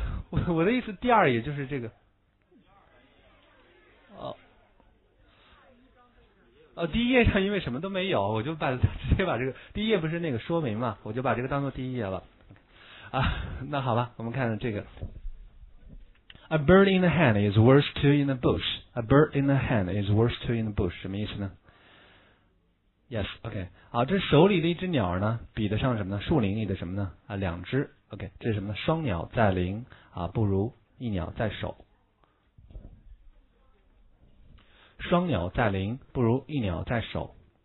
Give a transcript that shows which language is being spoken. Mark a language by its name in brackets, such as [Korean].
[Chinese] 我的意思第二也就是这个。第一页上因为什么都没有，我就把直接把这个第一页不是那个说明嘛，我就把这个当做第一页了。啊，那好吧，我们看看这个。 [English] A bird in the hand is worth two in the bush. A bird in the hand is worth two in the bush. [Chinese] 什么意思呢 ？Yes. OK. 好，这手里的一只鸟呢，比得上什么呢？树林里的什么呢？啊，两只。OK， 这是什么呢？双鸟在林啊，不如一鸟在手。双鸟在林，不如一鸟在手。